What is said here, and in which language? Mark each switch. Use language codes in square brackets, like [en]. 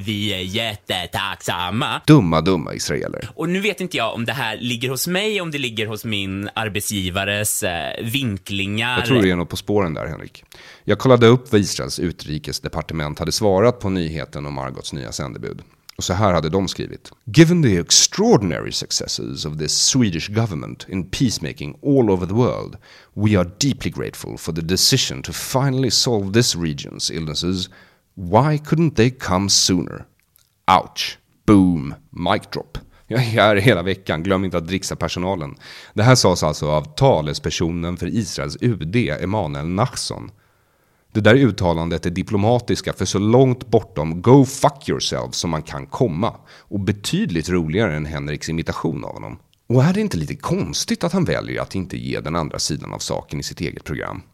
[sv] Vi är jättetacksamma. Dumma, dumma israeler. Och nu vet inte jag om det här ligger hos mig, om det ligger hos min arbetsgivares vinklingar. Jag tror det är något på spåren där, Henrik. Jag kollade upp vad Israels utrikesdepartement hade svarat på nyheten om Margots nya sändebud. Och så här hade de skrivit: [en] given the extraordinary successes of the Swedish government in peacemaking all over the world, we are deeply grateful for the decision to finally solve this region's illnesses. Why couldn't they come sooner? Ouch. Boom. Mic drop. [sv] Jag är här hela veckan, glöm inte att dricksa personalen. Det här sades alltså av talespersonen för Israels UD, Emanuel Nachson. Det där uttalandet är diplomatiska för så långt bortom [en] go fuck yourself [sv] som man kan komma. Och betydligt roligare än Henriks imitation av honom. Och är det inte lite konstigt att han väljer att inte ge den andra sidan av saken i sitt eget program?